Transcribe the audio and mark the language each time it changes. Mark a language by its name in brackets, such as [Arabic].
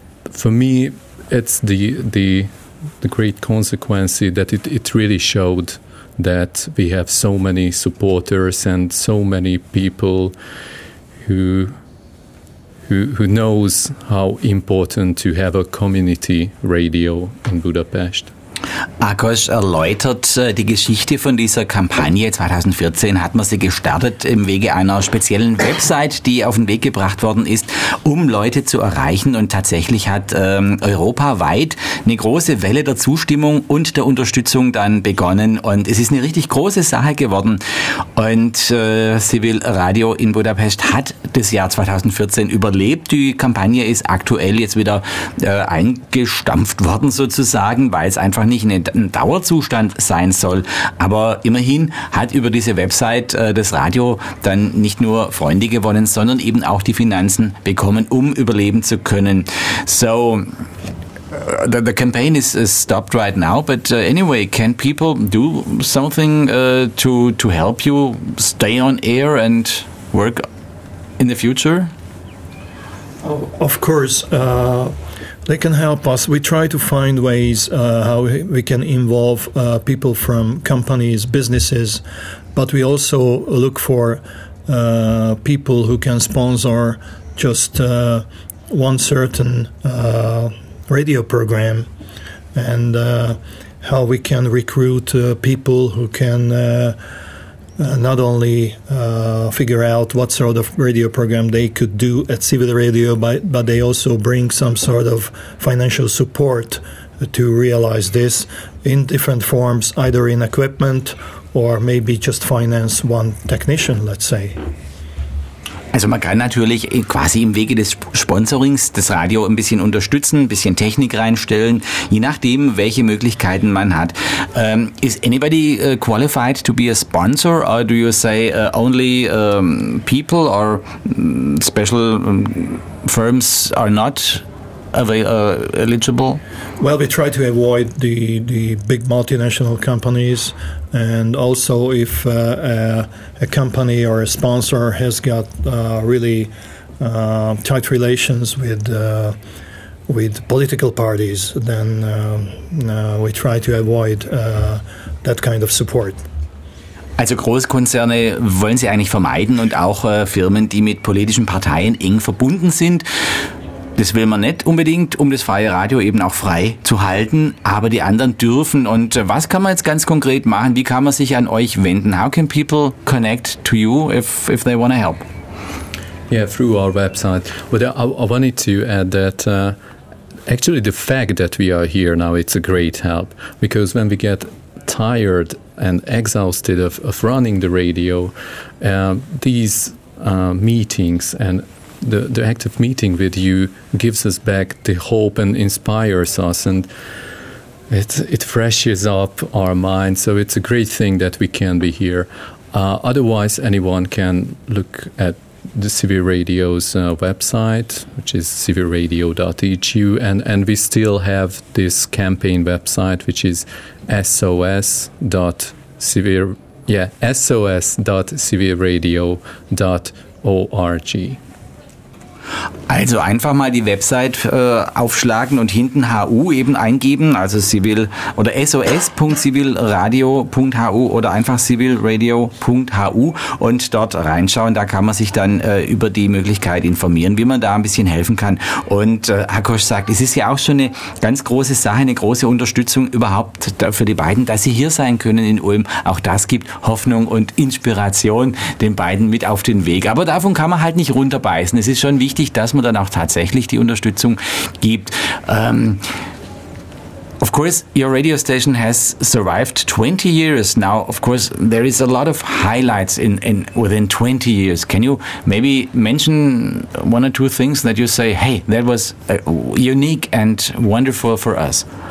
[English] For me, it's the great consequence that it really showed that we have so many supporters and so many people who knows how important to have a community radio in Budapest. [German] Akos erläutert die Geschichte von dieser Kampagne. 2014 hat man sie gestartet im Wege einer speziellen Website, die auf den Weg gebracht worden ist, um Leute zu erreichen. Und tatsächlich hat europaweit eine große Welle der Zustimmung und der Unterstützung dann begonnen. Und es ist eine richtig große Sache geworden. Und Civil Radio in Budapest hat das Jahr 2014 überlebt. Die Kampagne ist aktuell jetzt wieder eingestampft worden sozusagen, weil es einfach nicht ein Dauerzustand sein soll. Aber immerhin hat über diese Website das Radio dann nicht nur Freunde gewonnen, sondern eben auch die Finanzen bekommen, um überleben zu können. [English] So, the campaign is stopped right now, but anyway, can people do something to help you stay on air and work in the future? Of course. They can help us. We try to find ways how we can involve people from companies, businesses, but we also look for people who can sponsor just one certain radio program, and how we can recruit people who can not only figure out what sort of radio program they could do at civil radio, but they also bring some sort of financial support to realize this in different forms, either in equipment or maybe just finance one technician, let's say. [German] Also man kann natürlich quasi im Wege des Sponsorings das Radio ein bisschen unterstützen, ein bisschen Technik reinstellen, je nachdem, welche Möglichkeiten man hat. [English] Is anybody qualified to be a sponsor, or do you say only people or special firms are not eligible? Well, we try to avoid the big multinational companies, and also if a company or a sponsor has got really tight relations with political parties, then we try to avoid that kind of support. [German] Also Großkonzerne wollen Sie eigentlich vermeiden, und auch Firmen, die mit politischen Parteien eng verbunden sind. Das will man nicht unbedingt, um das freie Radio eben auch frei zu halten, aber die anderen dürfen. Und was kann man jetzt ganz konkret machen? Wie kann man sich an euch wenden? [English] How can people connect to you if they want to help? Yeah, through our website. But I wanted to add that actually the fact that we are here now, it's a great help. Because when we get tired and exhausted of running the radio, these meetings and the active meeting with you gives us back the hope and inspires us, and it freshes up our minds. So it's a great thing that we can be here. Otherwise, anyone can look at the CV Radio's website, which is cvradio.eu, and we still have this campaign website, which is sos.cvradio.org. [German] Also einfach mal die Website aufschlagen und hinten HU eben eingeben, also civil oder sos.civilradio.hu oder einfach civilradio.hu, und dort reinschauen. Da kann man sich dann über die Möglichkeit informieren, wie man da ein bisschen helfen kann. Und Akos sagt, es ist ja auch schon eine ganz große Sache, eine große Unterstützung überhaupt für die beiden, dass sie hier sein können in Ulm. Auch das gibt Hoffnung und Inspiration den beiden mit auf den Weg. Aber davon kann man halt nicht runterbeißen. Es ist schon wichtig, dass man dann auch tatsächlich die Unterstützung gibt. [English] Of course, your radio station has survived 20 years now. Of course, there is a lot of highlights in within 20 years. Can you maybe mention one or two things that you say, hey, that was unique and wonderful for us?